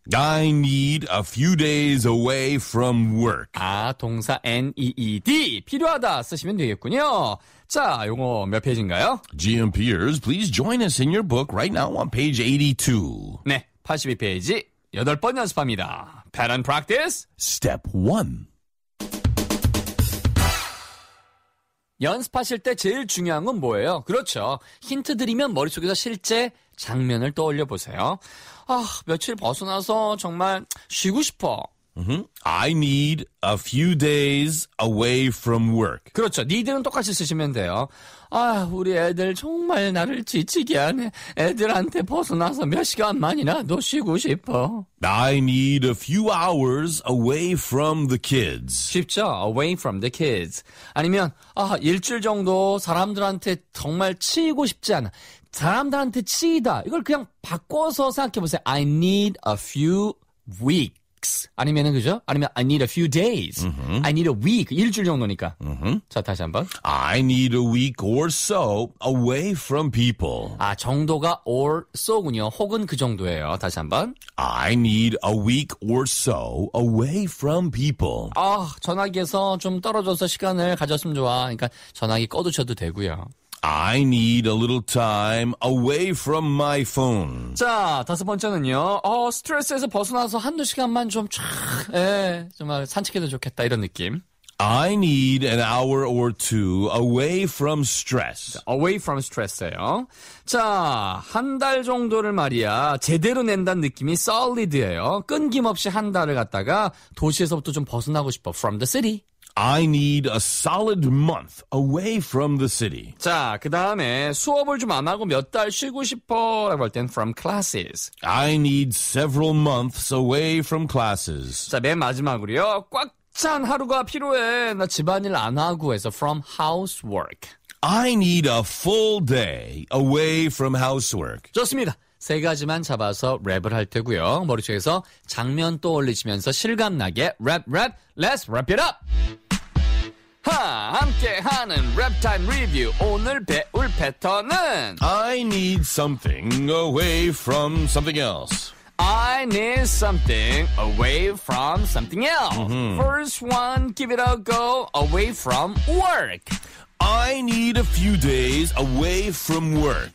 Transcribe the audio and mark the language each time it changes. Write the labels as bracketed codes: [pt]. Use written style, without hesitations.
[en] I need a few days away from work. [ko] 아, 동사 NEED. 필요하다 쓰시면 되겠군요. 자, 용어 몇 페이지인가요? [en] GM Peers, please join us in your book right now on page 82. [ko] 네, 82페이지. 8번 연습합니다. [en] Pattern practice. Step 1. [ko] 연습하실 때 제일 중요한 건 뭐예요? 그렇죠. 힌트 드리면 머릿속에서 실제 장면을 떠올려 보세요. 아, 며칠 벗어나서 정말 쉬고 싶어. [en] I need a few days away from work. [ko] 그렇죠. need는 똑같이 쓰시면 돼요. 아, 우리 애들 정말 나를 지치게 하네. 애들한테 벗어나서 몇 시간만이나 더 쉬고 싶어. [en] I need a few hours away from the kids. [ko] 쉽죠? [en] Away from the kids. [ko] 아니면 아, 일주일 정도 사람들한테 정말 치이고 싶지 않아. 사람들한테 치이다. 이걸 그냥 바꿔서 생각해 보세요. [en] I need a few weeks. [ko] 아니면은 그죠? 아니면 [en] I need a few days. Mm-hmm. I need a week. [ko] 일주일 정도니까. Mm-hmm. 자, 다시 한번. [en] I need a week or so away from people. [ko] 아, 정도가 [en] or so [ko] 군요. 혹은 그 정도예요. 다시 한번. [en] I need a week or so away from people. [ko] 아, 전화기에서 좀 떨어져서 시간을 가졌으면 좋아. 그러니까 전화기 꺼두셔도 되고요. [en] I need a little time away from my phone. [ko] 자, 다섯 번째는요. 어, 스트레스에서 벗어나서 한두 시간만 좀 촥, 예, 정말 산책해도 좋겠다, 이런 느낌. [en] I need an hour or two away from stress. Away from stress예요. [ko] 자, 한 달 정도를 말이야 제대로 낸다는 느낌이 solid예요. 끊김없이 한 달을 갔다가 도시에서부터 좀 벗어나고 싶어. [en] From the city. I need a solid month away from the city. [ko] 자, 그 다음에 수업을 좀 안 하고 몇 달 쉬고 싶어 라고 할 땐 [en] from classes. I need several months away from classes. [ko] 자, 맨 마지막으로요. 꽉 찬 하루가 필요해. 나 집안일 안 하고 해서 [en] from housework. I need a full day away from housework. [ko] 좋습니다. 세 가지만 잡아서 랩을 할 테고요. 머릿속에서 장면 떠올리시면서 실감나게 랩, 랩, [en] let's wrap it up! [ko] 하, 함께하는 랩타임 리뷰. 오늘 배울 패턴은 [en] I need something away from something else. I need something away from something else. Mm-hmm. First one, give it a go, away from work. I need a few days away from work.